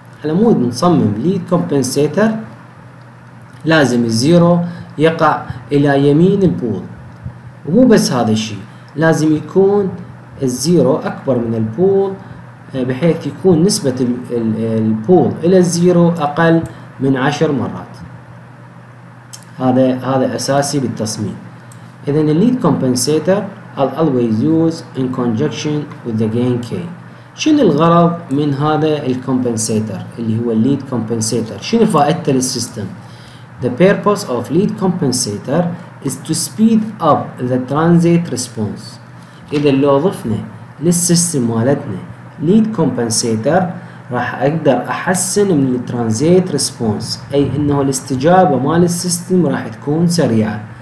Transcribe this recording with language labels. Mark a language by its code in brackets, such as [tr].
[ar] على مود نصمم lead compensator لازم الزيرو يقع الى يمين البول، ومو بس هذا الشيء، لازم يكون الزيرو اكبر من البول بحيث يكون نسبة البول الى الزيرو اقل من 10 مرات. هذا اساسي بالتصميم. [en] اذا lead compensator I'll always use in conjunction with the gain K. [ar] شنو الغرض من هذا الكمبنسيتر اللي هو الليد كمبنسيتر؟ شنو فائدته للسيستم؟ [en] The purpose of lead compensator is to speed up the transient response. [ar] إذا لو ضفنا للسيستم مالتنا lead compensator راح أقدر أحسن من الترانزيت ريسبونس، أي إنه الاستجابة مال السيستم راح تكون سريعة.